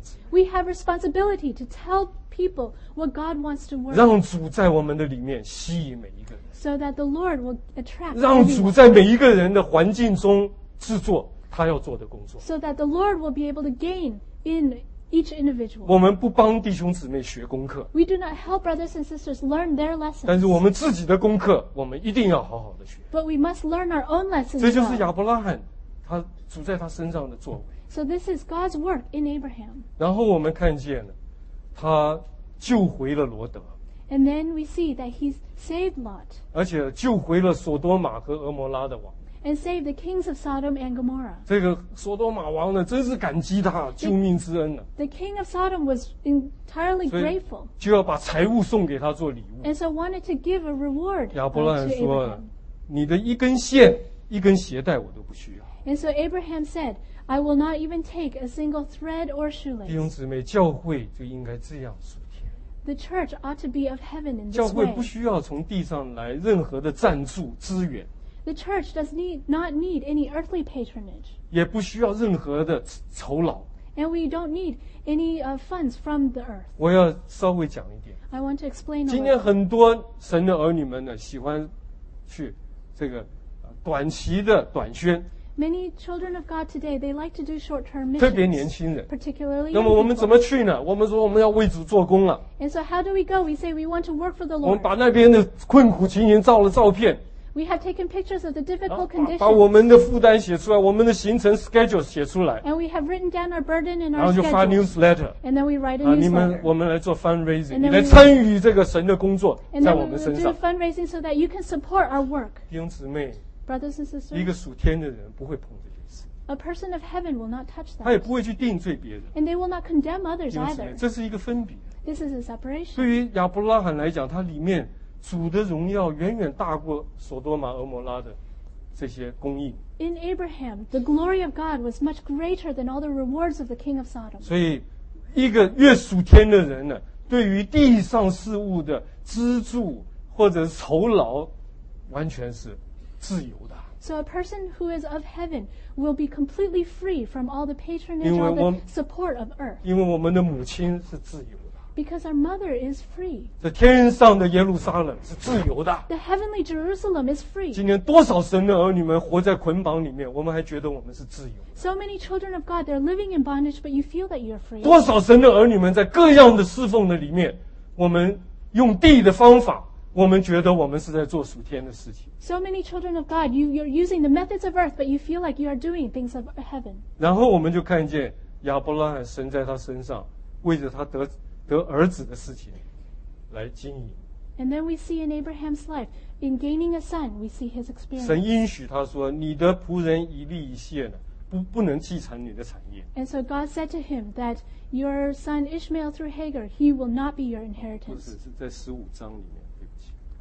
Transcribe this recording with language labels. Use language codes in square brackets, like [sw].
[en] We have responsibility to tell people what God wants to work. [zh] 让主在我们的里面吸引每一个人。 [en] So that the Lord will attract. [zh] 让主在每一个人的环境中制作。 [en] So that the Lord will be able to gain in each individual. [zh] 我们不帮弟兄姊妹学功课, [en] we do not help brothers and sisters learn their lessons. [zh] 但是我们自己的功课, 我们一定要好好的学。 [en] But we must learn our own lessons. [zh] 这就是亚伯拉罕, 他主在他身上的作为。 [en] So this is God's work in Abraham. [zh] 然后我们看见了, 他救回了罗德。 [en] And then we see that he saved Lot. [zh] 而且救回了索多玛和俄摩拉的王。 [en] And save the kings of Sodom and Gomorrah. [zh] 这个索多玛王呢，真是感激他, 救命之恩啊。 [en] The king of Sodom was entirely grateful. [zh] 就要把财物送给他做礼物。 [en] And so wanted to give a reward. [zh] 亚伯拉罕说, 你的一根线, 一根鞋带我都不需要。 [en] And so Abraham said, I will not even take a single thread or shoelace. [zh] 弟兄姊妹, 教会就应该这样属天。 [en] The church ought to be of heaven in this way. [zh] 教会不需要从地上来任何的赞助资源。 [en] The church does not need any earthly patronage. [zh] 也不需要任何的酬劳。 [en] And we don't need any funds from the earth. [zh] 我要稍微讲一点。 [en] I want to explain. [zh] 今天很多神的儿女们呢, 喜欢去这个, 短期的短宣。 [en] Many children of God today, they like to do short-term missions. [zh] 特别年轻人, [en] particularly. [zh] 那么我们怎么去呢? 我们说我们要为主做工了。 [en] And so how do we go? We say we want to work for the Lord. [zh] 我们把那边的困苦情形照了照片。 [en] We have taken pictures of the difficult conditions. [zh] 把我们的负担写出来, 我们的行程 schedule 写出来。 [en] And we have written down our burden and our schedule. [zh] 然后就发 newsletter. [en] And then we write a newsletter. [zh] 你们, 我们来做 fundraising, 你来参与这个神的工作, 在我们身上。 [en] And then we do fundraising so that you can support our work. [zh] 弟兄姊妹, [en] Brothers and sisters, [zh] 一个属天的人不会碰这件事。 [en] A person of heaven will not touch that. [zh] 他也不会去定罪别人。 [en] And they will not condemn others either. [zh] 弟兄姊妹, 这是一个分别。 [en] This is a separation. [zh] 对于亚伯拉罕来讲, 他里面 主的荣耀远远大过索多玛俄摩拉的这些供应。 [en] In Abraham, the glory of God was much greater than all the rewards of the king of Sodom. [zh] 所以一个越属天的人呢, 对于地上事物的资助或者酬劳, 完全是自由的。 [en] So a person who is of heaven will be completely free from all the patronage or the support of earth. [zh] 因为我们的母亲是自由的。 [en] Because our mother is free. [zh] 这天上的耶路撒冷是自由的。 [en] The heavenly Jerusalem is free. [zh] 今天多少神的儿女们活在捆绑里面, 我们还觉得我们是自由的。 [en] So many children of God, they're living in bondage, but you feel that you're free. [zh] 多少神的儿女们在各样的侍奉的里面, 我们用地的方法, 我们觉得我们是在做属天的事情。 [en] So many children of God, you're using the methods of earth, but you feel like you are doing things of heaven. [zh] 然后我们就看见亚伯拉罕神在他身上，为着他得儿子的事情来经营。 [en] And then we see in Abraham's life, in gaining a son, we see his experience. [zh] 神应许他说，你的仆人以利以谢呢？不能继承你的产业。 [en] And so God said to him that your son Ishmael through Hagar, he will not be your inheritance. [zh] 是在十五章里面，对不起。